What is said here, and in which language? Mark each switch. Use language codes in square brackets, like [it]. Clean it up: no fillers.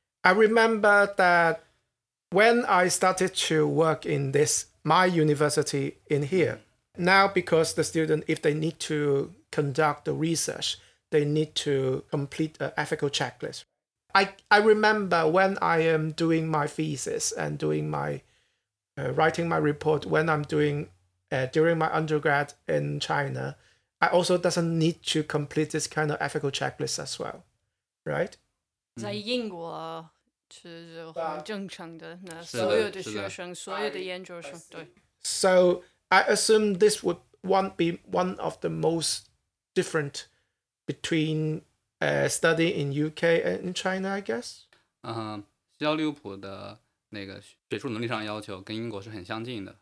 [en] I remember that when I started to work in this, my university in here, now because the student, if they need to conduct the research, they need to complete an ethical checklist. I remember when I am doing my thesis and doing my, writing my report, when I'm doing, during my undergrad in China,I also doesn't need to complete this kind of ethical checklist as well, right? [zh] 在英国是很正常的，那所有的学生，所有的研究生，对。 [en] So I assume this would one be one of the most different between studying in UK and in China, I guess. [zh] 西交利物浦的那个学术能力上要求跟英国是很相近的。